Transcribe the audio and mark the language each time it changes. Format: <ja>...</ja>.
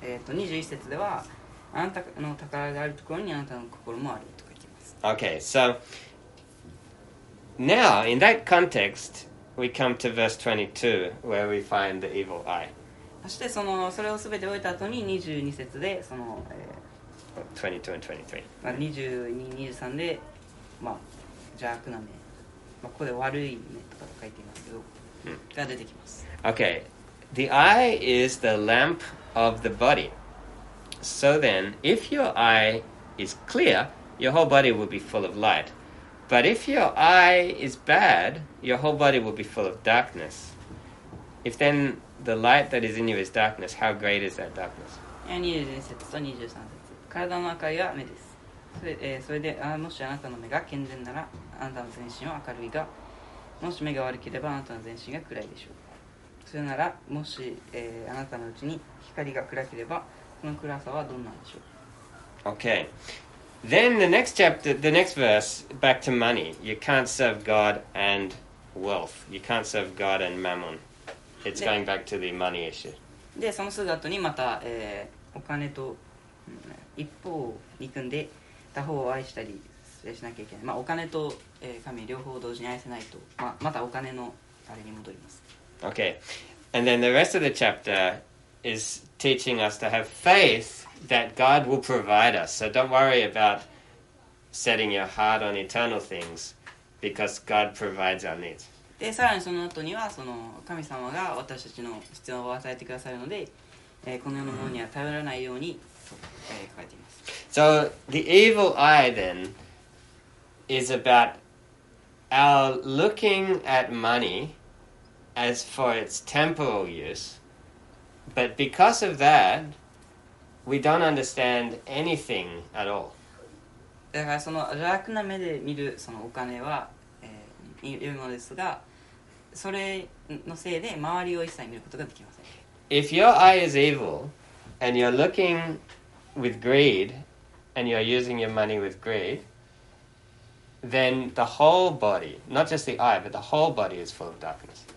<ja>21節ではあなたの宝があるところにあなたの心もあるとか言ってます。</ja> <en>Okay, so now in that context, we come to verse 22, where we find the evil eye.</en> <ja>そしてそのそれをすべて終えた後に22節でその、</ja> <en>22 and 23.</en> <ja>まあ22、23でまあ邪悪な目、まあここで悪い目とか書いていますけど、が出てきます。</ja> <en>Okay. The eye is the lamp of the body. So then, if your eye is clear, your whole body will be full of light. But if your eye is bad, your whole body will be full of darkness. If then the light that is in you is darkness, how great is that darkness?</en> <ja>22節と23節。体の明かりは目です。それで、もしあなたの目が健全なら、あなたの全身は明るいが、もし目が悪ければ、あなたの全身が暗いでしょう。それならもし、あなたのうちに光が暗ければその暗さはどんなんでしょう。</ja> <en>Okay. Then the next chapter, the next verse, back to money. You can't serve God and wealth. You can't serve God and mammon. It's going back to the money issue.</en> <ja>で、そのすぐ後にまた、お金と一方を憎んで他方を愛したりしなきゃいけない。まあ、お金と、神両方同時に愛せないと、まあ、またお金のあれに戻ります。</ja> <en>Okay, and then the rest of the chapter is teaching us to have faith that God will provide us. So don't worry about setting your heart on eternal things, because God provides our needs.</en> <ja>で、さらにその後にはその神様が私たちの必要を与えてくださるので、この世のものには頼らないようにと、書いています。</ja> <en>So the evil eye then is about our looking at moneyas for its temporal use, but because of that, we don't understand anything at all.</en> <ja>だからその邪悪な目で見るそのお金は、良いものですが、それのせいで周りを一切見ることができません。</ja> <en>If your eye is evil, and you're looking with greed, and you're using your money with greed, then the whole body, not just the eye, but the whole body is full of darkness.</en>